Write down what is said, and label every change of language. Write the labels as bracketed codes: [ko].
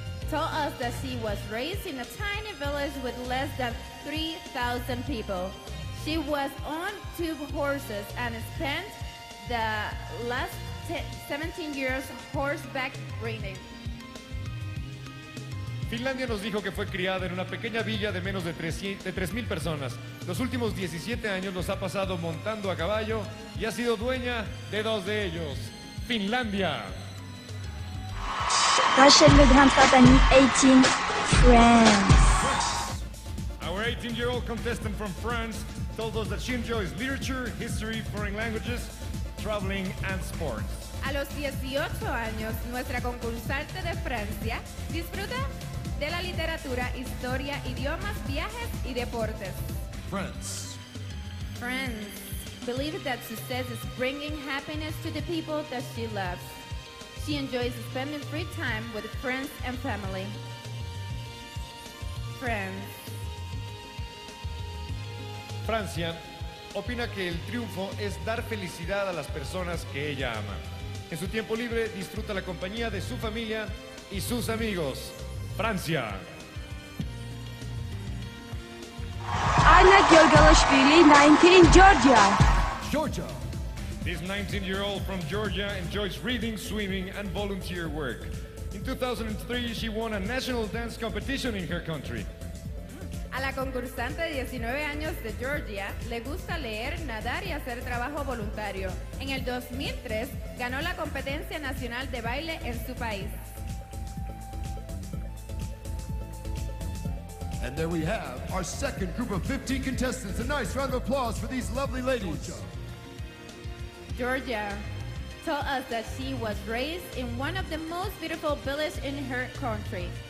[en] told us that she was raised in a tiny village with less than 3,000 people. She was on two horses and spent the last 17 years horseback riding. [es] Finlandia nos dijo que fue criada en una pequeña villa de menos de 3,000 personas. Los últimos 17 años los ha pasado montando a caballo y ha sido dueña de dos de ellos. Finlandia. [en] Rachel Legrand, 18, France. Our 18-year-old contestant from France told us that she enjoys literature, history, foreign languages, traveling and sports. [es] A los 18 años, nuestra concursante de Francia disfruta de la literatura, historia, idiomas, viajes y deportes. [en] France believes that success is bringing happiness to the people that she loves. She enjoys spending free time with friends and family. [es] Francia opina que el triunfo es dar felicidad a las personas que ella ama. En su tiempo libre disfruta la compañía de su familia y sus amigos. Francia. [en] Anna Gilgalashvili, 19, Georgia. Georgia. This 19-year-old from Georgia enjoys reading, swimming, and volunteer work. In 2003, she won a national dance competition in her country. [es] A la concursante de 19 años de Georgia, le gusta leer, nadar y hacer trabajo voluntario. En el 2003, ganó la competencia nacional de baile en su país. [en] And there we have our second group of 15 contestants. A nice round of applause for these lovely ladies. Georgia told us that she was raised in one of the most beautiful villages in her country.